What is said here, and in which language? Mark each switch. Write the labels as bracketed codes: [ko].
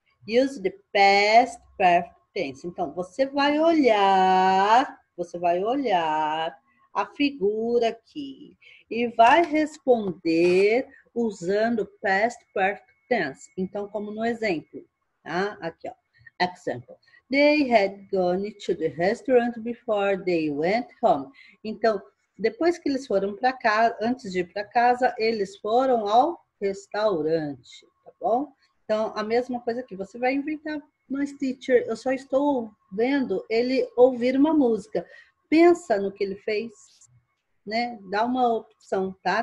[en] Use the past perfect tense. [pt] Então, você vai olhar a figura aqui e vai responder usando past perfect tense. Então, como no exemplo, tá? Aqui, ó. Example. [en] They had gone to the restaurant before they went home. [pt] Então, depois que eles foram para casa, antes de ir para casa, eles foram ao restaurante, tá bom? Então, a mesma coisa aqui, você vai inventar, mas teacher, eu só estou vendo ele ouvir uma música. Pensa no que ele fez, né? Dá uma opção, tá?